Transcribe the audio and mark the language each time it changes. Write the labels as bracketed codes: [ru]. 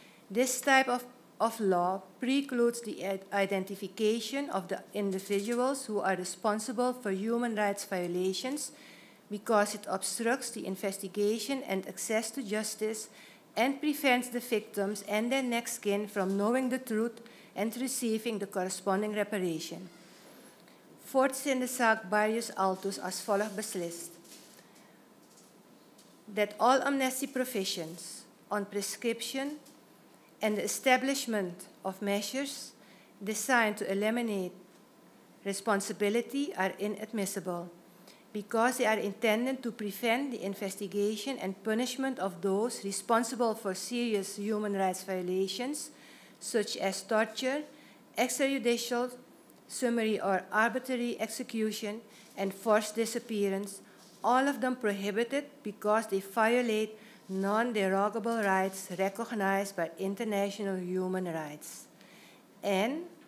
[en] This type of law precludes the identification of the individuals who are responsible for human rights violations because it obstructs the investigation and access to justice and prevents the victims and their next kin from knowing the truth and receiving the corresponding reparation. [nl] Voorts in de zaak Barrios Altos als volgt beslist. [en] That all amnesty provisions on prescription and the establishment of measures designed to eliminate responsibility are inadmissible because they are intended to prevent the investigation and punishment of those responsible for serious human rights violations such as torture, extrajudicial, summary or arbitrary execution, and forced disappearance, all of them prohibited because they violate non-derogable rights recognized by international human rights, and